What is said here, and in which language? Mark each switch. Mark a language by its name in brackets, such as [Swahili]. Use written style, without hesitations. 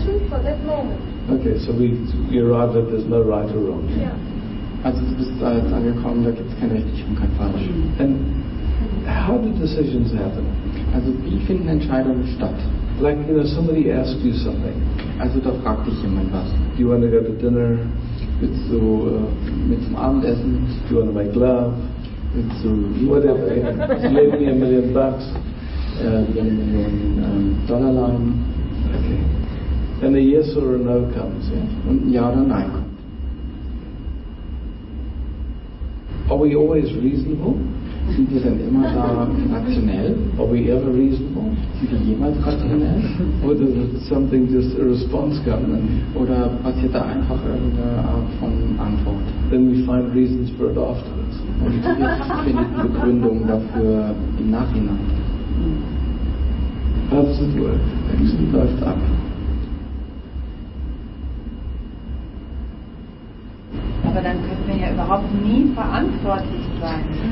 [English] It's the decision for that moment. Okay, so we arrive that there's no right or wrong. Yeah. [German] Also du bist jetzt angekommen, da gibt es keine richtig und kein falsch. [English] And how do decisions happen? [German] Also wie finden Entscheidungen statt? [English] Like, you know, somebody asks you something. [German] Also da fragt dich jemand was. [English] Do you want to go to dinner? [German] Willst du mit zum Abendessen? [English] Do you want to make love? So what if they lend me $1 million? Dollar line. Okay. And a yes or a no comes in. [German] Ja oder nein kommt. [English] Are we always reasonable? [German] Sind wir dann immer da rationell? [English] Are we ever reasonable? [German] Sind wir jemals rationell? [English] Or does something just a response come? [German] Oder passiert da einfach irgendeine Art von Antwort? [English] Then we find reasons for it afterwards. [German] Und wir finden die Begründung dafür im Nachhinein. [English] How does it work? [German] Es läuft ab. Aber dann könnten wir ja überhaupt nie verantwortlich sein.